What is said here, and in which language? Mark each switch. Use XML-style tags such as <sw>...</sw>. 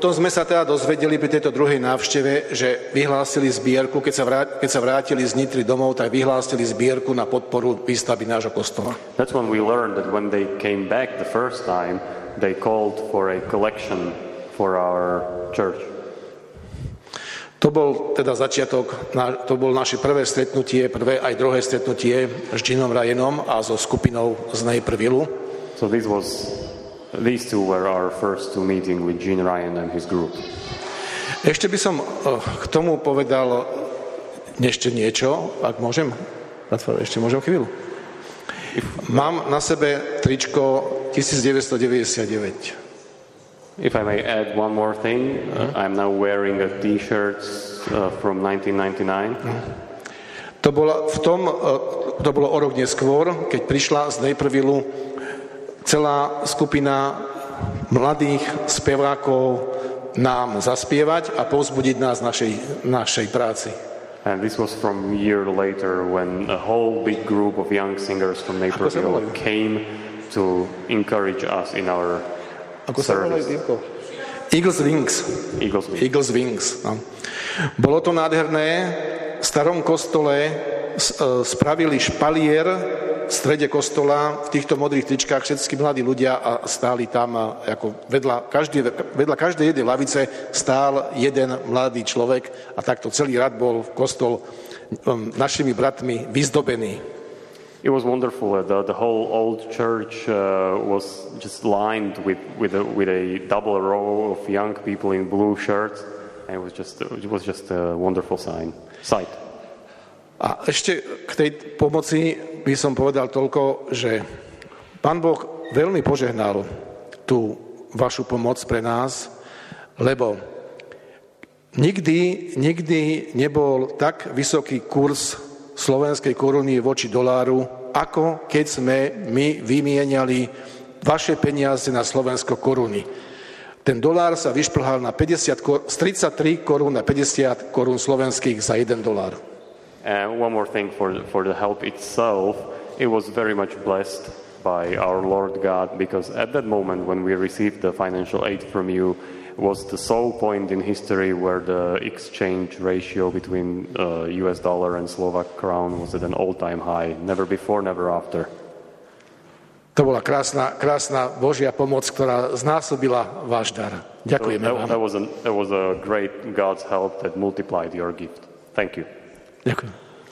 <sk>Potom sme sa teda dozvedeli pri tejto druhej návšteve, že vyhlásili zbierku, keď sa vrátili z Nitry domov, tak vyhlásili zbierku na podporu výstavby nášho kostola.</sk> <en>That's when we learned that when they came back the first time, they called for a collection for our church.</en> <sk>To bol teda začiatok, to bol naše prvé stretnutie, prvé aj druhé stretnutie s Ginom Ryanom a so skupinou z Naperville.</sk> <en>So this was These two were our first two meeting with Jean Ryan and his group.</en> <sk>Ešte by som k tomu povedal ešte niečo, ak môžem. Ešte môžem chvíľu. Mám na sebe tričko 1999.</sk> <en>If I may add one more thing, I'm now wearing a t-shirt from 1999.</en> <sk>To bolo v tom, to bolo o rok neskôr, keď prišla z Naperville celá skupina mladých spevákov nám zaspievať a povzbudiť nás našej práci.</sk> <en>And this was from a year later when a whole big group of young singers from Naperville came to encourage us in our</en> <sk>Ako</sk> <en>service.</en> <sk>Eagles Wings. No. Bolo to nádherné. V starom kostole spravili špalier v strede kostola, v týchto modrých tričkách všetci mladí ľudia a stáli tam ako vedľa každej jednej lavice stál jeden mladý človek a takto celý rad bol v kostol našimi bratmi vyzdobený.</sk> <en>It was wonderful. The whole old church was just lined with a double row of young people in blue shirts, and it was just a wonderful sight.</en> <sk>A ešte k tej pomoci by som povedal toľko, že Pán Boh veľmi požehnal tú vašu pomoc pre nás, lebo nikdy nebol tak vysoký kurz slovenskej koruny voči doláru, ako keď sme my vymieniali vaše peniaze na slovenské koruny. Ten dolár sa vyšplhal na 50 z 33 korún na 50 korún slovenských za 1 dolár.</sk> <en>And one more thing for the help itself, it was very much blessed by our Lord God, because at that moment when we received the financial aid from you, was the sole point in history where the exchange ratio between US dollar and Slovak crown was at an all-time high, never before, never after.</en> <sk>To bola krásna Božia pomoc, ktorá znásobila váš dar. Ďakujeme vám.</sk> <en>That was a great God's help that multiplied your gift. Thank you.</en> <sk>Ďakujem.</sk>